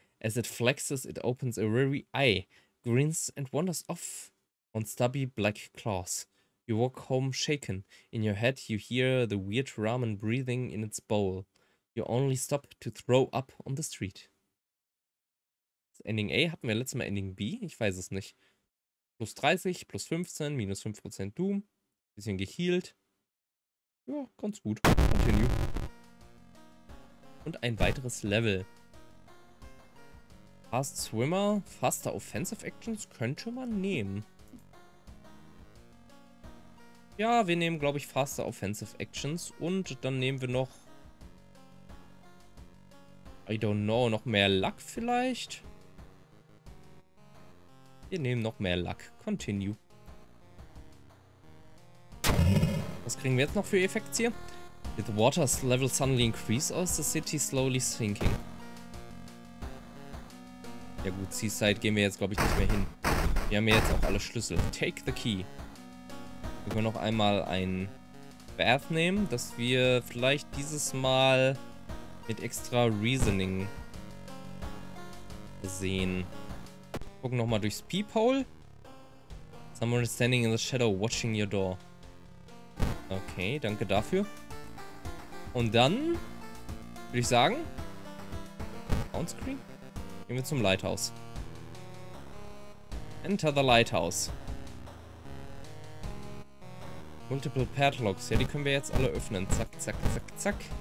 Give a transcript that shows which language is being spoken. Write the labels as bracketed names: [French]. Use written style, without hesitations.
[English] As it flexes, it opens a weary eye, grins and wanders off on stubby black claws. You walk home shaken. In your head, you hear the weird ramen breathing in its bowl. You only stop to throw up on the street. [German] Das Ending A hatten wir letztes Mal Ending B? Ich weiß es nicht. Plus 30, plus 15, minus 5% Doom. Bisschen geheilt. Ja, ganz gut. Continue. Und ein weiteres Level. Fast Swimmer, faster Offensive Actions könnte man nehmen. Ja, wir nehmen, glaube ich, faster Offensive Actions. Und dann nehmen wir noch... [English] I don't know, [German] noch mehr Luck vielleicht? Wir nehmen noch mehr Luck. Continue. Was kriegen wir jetzt noch für Effekte hier? [English] Did the water's level suddenly increase or is the city slowly sinking? [German] Ja gut, Seaside gehen wir jetzt glaube ich nicht mehr hin. Wir haben ja jetzt auch alle Schlüssel. [English] Take the key. [German] Wir können noch einmal ein Bath nehmen, dass wir vielleicht dieses Mal mit extra Reasoning sehen. Gucken nochmal durchs Peephole. [English] Someone is standing in the shadow watching your door. [German] Okay, danke dafür. Und dann würde ich sagen, Soundscreen, gehen wir zum Lighthouse. [English] Enter the Lighthouse. [German] Multiple Padlocks, ja, die können wir jetzt alle öffnen. Zack, zack, zack, zack.